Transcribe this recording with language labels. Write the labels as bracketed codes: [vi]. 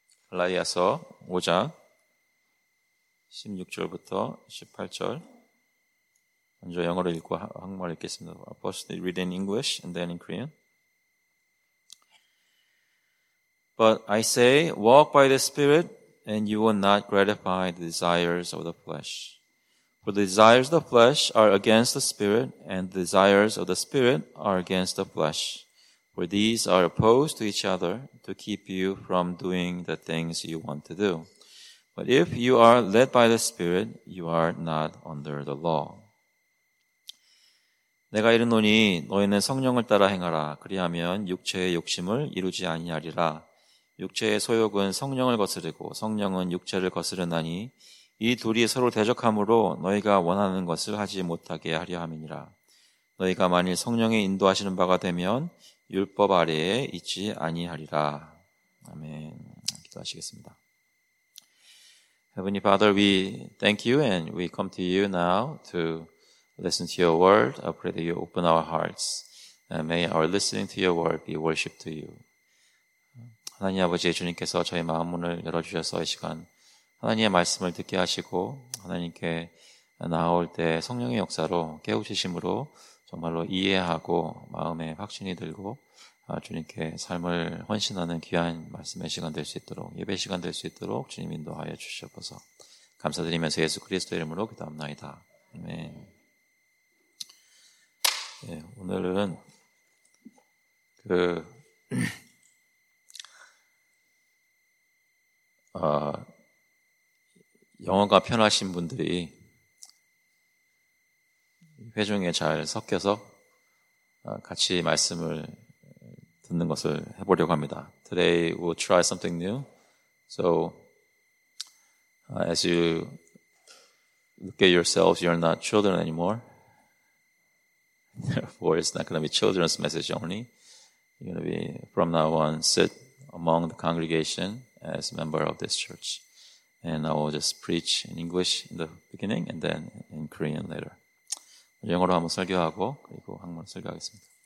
[ko] 갈라디아서 5장 16절부터 18절 먼저 영어로 읽고 한국말 읽겠습니다. [en] First read in English and then in Korean. But I say, walk by the Spirit, and you will not gratify the desires of the flesh. For the desires of the flesh are against the Spirit, and the desires of the Spirit are against the flesh. For these are opposed to each other to keep you from doing the things you want to do. But if you are led by the Spirit, you are not under the law. [ko] 내가 이르노니 너희는 성령을 따라 행하라. 그리하면 육체의 욕심을 이루지 아니하리라. 육체의 소욕은 성령을 거스르고 성령은 육체를 거스르나니 이 둘이 서로 대적함으로 너희가 원하는 것을 하지 못하게 하려 함이니라. 너희가 만일 성령의 인도하시는 바가 되면 율법 아래에 있지 아니하리라. 아멘. 기도하시겠습니다. [en] Heavenly Father, we thank you and we come to you now to listen to your word. I pray that you open our hearts and may our listening to your word be worship to you. [ko] 하나님 아버지 주님께서 저희 마음 문을 열어주셔서 이 시간 하나님의 말씀을 듣게 하시고 하나님께 나올 때 성령의 역사로 깨우치심으로 정말로 이해하고 마음에 확신이 들고 주님께 삶을 헌신하는 귀한 말씀의 시간 될 수 있도록 예배 시간 될 수 있도록 주님 인도하여 주시옵소서 감사드리면서 예수 그리스도 이름으로 기도합니다. 아멘. 네, 오늘은 영어가 편하신 분들이 회중에 잘 섞여서 같이 말씀을 듣는 것을 해보려고 합니다. [en] Today we'll try something new. So as you look at yourselves, you're not children anymore. Therefore, it's not going to be children's message only. You're going to be, from now on, sit among the congregation as a member of this church. And I will just preach in English in the beginning and then in Korean later. [ko] 영어로 한번 설교하고 그리고 한국어로 설교하겠습니다.